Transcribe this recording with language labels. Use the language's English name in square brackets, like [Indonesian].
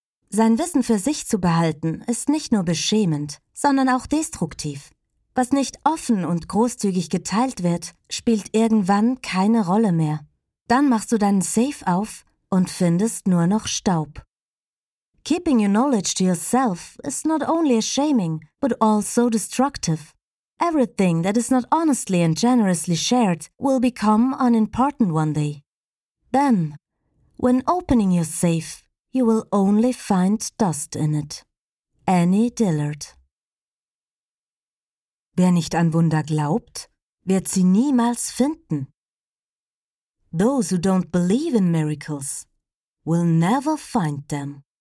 [German] Sein Wissen für sich zu behalten, ist nicht nur beschämend, sondern auch destruktiv. Was nicht offen und großzügig geteilt wird, spielt irgendwann keine Rolle mehr. Dann machst du deinen Safe auf und findest nur noch Staub. [English] Keeping your knowledge to yourself is not only shaming, but also destructive. Everything that is not honestly and generously shared will become unimportant one day. Then, when opening your safe, you will only find dust in it. Annie Dillard. [German] Wer nicht an Wunder glaubt, wird sie niemals finden. [English] Those who don't believe in miracles will never find them.